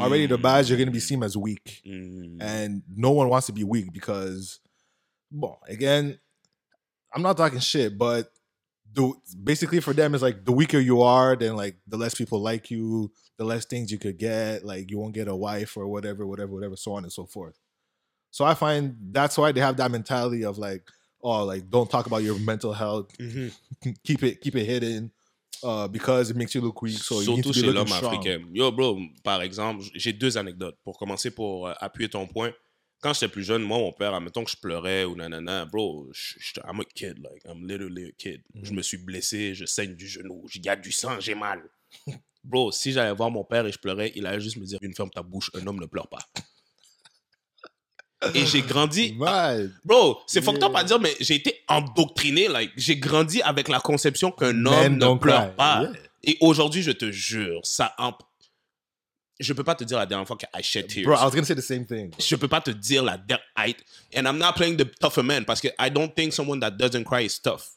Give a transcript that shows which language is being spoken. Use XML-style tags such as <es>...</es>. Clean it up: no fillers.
<en>already the badge, you're going to be seen as weak. Mm-hmm. And no one wants to be weak because, well, again, I'm not talking shit, but basically for them, it's like the weaker you are, then like the less people like you, the less things you could get, like you won't get a wife or whatever, so on and so forth. So I find that's why they have that mentality of like, oh, like don't talk about your mental health, mm-hmm. keep it hidden, because it makes you look weak. So</en> <fr>surtout</fr> <en>you need to</en> <fr>chez</fr> <en>be</en> <fr>l'homme</fr> <en>strong.</en> <fr>Africain. Yo, bro, par exemple, j'ai deux anecdotes pour commencer pour appuyer ton point. Quand j'étais plus jeune, moi, mon père, admettons que je pleurais ou nanana, bro,</fr> <en>I'm a kid, like I'm literally a kid.</en> <fr>Mm-hmm. Je me suis blessé, je saigne du genou, il y a du sang, j'ai mal. Bro, si j'allais voir mon père et je pleurais, il allait juste me dire, une ferme ta bouche, un homme ne pleure pas. Et j'ai grandi... Ah, bro, c'est fucked up à dire, mais j'ai été endoctriné. Like, j'ai grandi avec la conception qu'un homme ne pleure pas. Yeah. Et aujourd'hui, je te jure, ça... Je peux pas te dire la dernière fois que</fr> <en>I shed tears. Bro, I was gonna say the same thing. Bro.</en> <fr>Je peux pas te dire la dernière...</fr> <en>And I'm not playing the tougher man,</en> <fr>parce que</fr> <en>I don't think someone that doesn't cry is tough.</en>